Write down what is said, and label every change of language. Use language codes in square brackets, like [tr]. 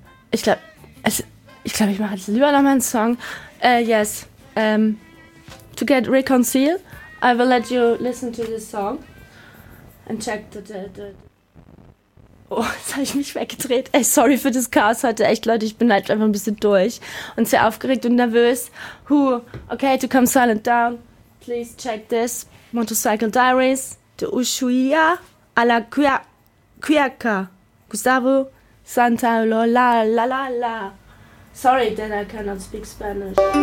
[de] Ich glaube, ich mache jetzt lieber noch einen Song. [en] Yes. To get reconciled, I will let you listen to this song and check the. [de] Oh, jetzt habe ich mich weggedreht. Ey, sorry für das Chaos heute. Echt, Leute, ich bin halt einfach ein bisschen durch und sehr aufgeregt und nervös. Huh. [en] Okay, to come silent down, please check this. [es] Motorcycle Diaries, de Ushuaia a la Cuyaca, Gustavo Santa Lola, la la la. [en] Sorry that I cannot speak Spanish.